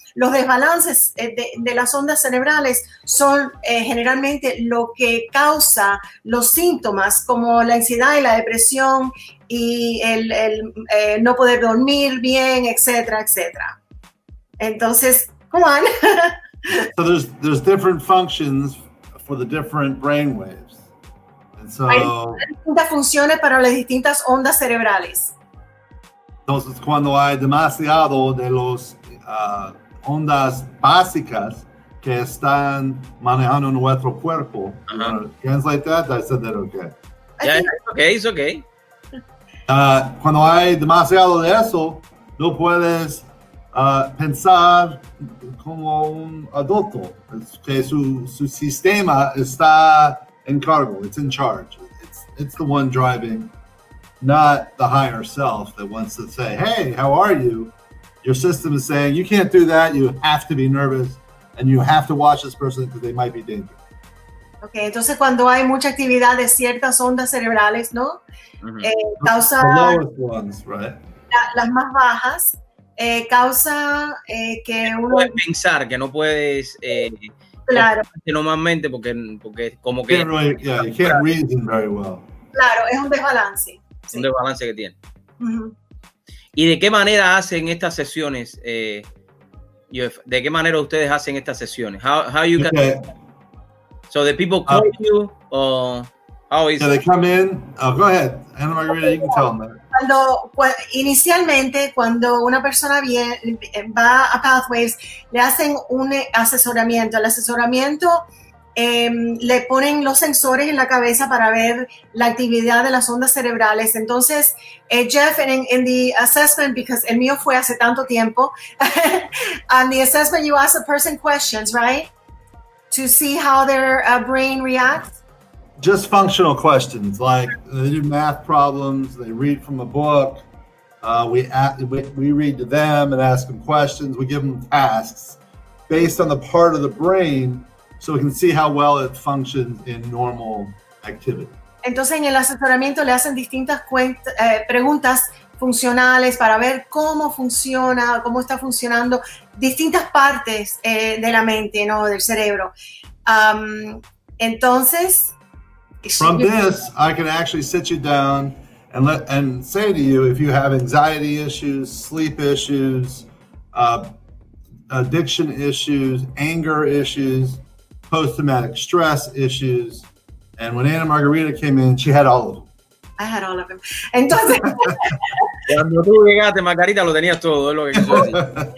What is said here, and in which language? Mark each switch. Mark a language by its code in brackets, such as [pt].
[es] Los desbalances de las ondas cerebrales son generalmente lo que causa los síntomas como la ansiedad y la depresión y el no poder dormir bien, etcétera, etcétera. Entonces, [en] come on. So there's different functions for the different brain waves. And so, [es] hay distintas funciones para las distintas ondas cerebrales. Entonces, cuando hay demasiado de los ondas básicas que están manejando nuestro cuerpo. [en] Uh-huh. Translate that. I said that okay. Yeah, it's okay. [es] Cuando hay demasiado de eso, no puedes pensar como un adulto. Es que su sistema está en cargo. [en] It's in charge. It's the one driving, not the higher self that wants to say, "Hey, how are you?" Your system is saying, you can't do that, you have to be nervous, and you have to watch this person because they might be dangerous. [es] Okay, entonces cuando hay mucha actividad de ciertas ondas cerebrales, ¿no? Mm-hmm. Causa [en] the lowest ones, right? [es] Las más bajas, causa que uno... Puedes pensar que no puedes... claro. Normalmente porque como que... [en] You can't reason very well. [es] Claro, es un desbalance. Sí. Un desbalance que tiene. Mm-hmm. ¿Y de qué manera hacen estas sesiones? ¿De qué manera ustedes hacen estas sesiones? [en] How you can okay. So the people call you or how is so they come in? Oh, go ahead. Ana Margarita, okay. You can tell them. [es] Cuando una persona va a Pathways, le hacen un asesoramiento. El asesoramiento le ponen los sensores en la cabeza para ver la actividad de las ondas cerebrales. Entonces, [en] Jeff, in the assessment, because [es] el mío fue hace tanto tiempo, [en] on the assessment, you ask the person questions, right? To see how their brain reacts? Just functional questions, like they do math problems, they read from a book, we read to them and ask them questions, we give them tasks based on the part of the brain. So we can see how well it functions in normal activity. [es] Entonces, en el asesoramiento le hacen distintas preguntas funcionales para ver cómo funciona, cómo está funcionando distintas partes de la mente, ¿no? Del cerebro. Entonces, [en] from this, I can actually sit you down and say to you if you have anxiety issues, sleep issues, addiction issues, anger issues. Post-traumatic stress issues, and when Ana Margarita came in, she had all of them. I had all of them. [es] Entonces, cuando tú llegaste, Margarita, lo tenías todo, es lo que yo decía.